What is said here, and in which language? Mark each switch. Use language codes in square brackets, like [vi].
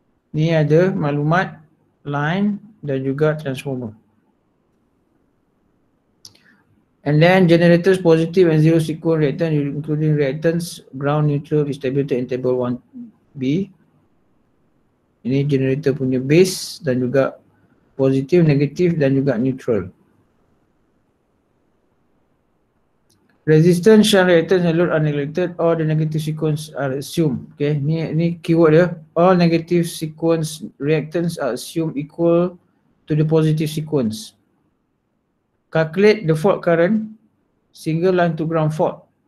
[ms] Ni ada maklumat line dan juga transformer. [en] And then generators positive and zero sequence reactance including reactance ground neutral is stabilized in table 1B. [ms] Ini generator punya base dan juga positive, negative dan juga neutral. [en] Resistance, shunt reactance and load are neglected. All the negative sequence are assumed. [ms] Okay, ni keyword dia. [en] All negative sequence reactance are assumed equal to the positive sequence. Calculate the fault current, single line to ground fault.